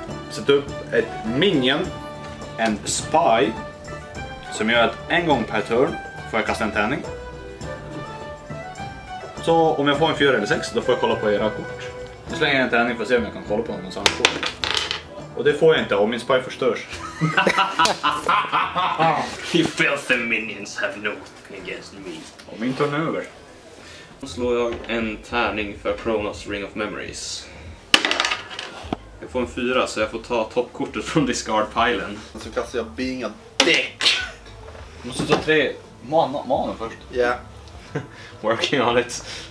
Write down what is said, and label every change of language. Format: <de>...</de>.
<sv>Sätt upp ett minion. En spy. Som gör att en gång per turn får jag kasta en tärning. Så om jag får en 4 eller 6, då får jag kolla på era kort. Nu slänger jag en tärning för att se om jag kan kolla på någon sån kort. Och det får jag inte om min spy förstörs.</sv> <en>You filthy minions have nothing against me.</en> <sv>Om min turn är över. Då slår jag en tärning för Kronos Ring of Memories. Jag får en 4, så jag får ta toppkortet från discard pilen. Och så kastar jag Being a Dick. Du måste ta 3 mana först. Ja. Yeah.</sv> <en>Working on it.</en>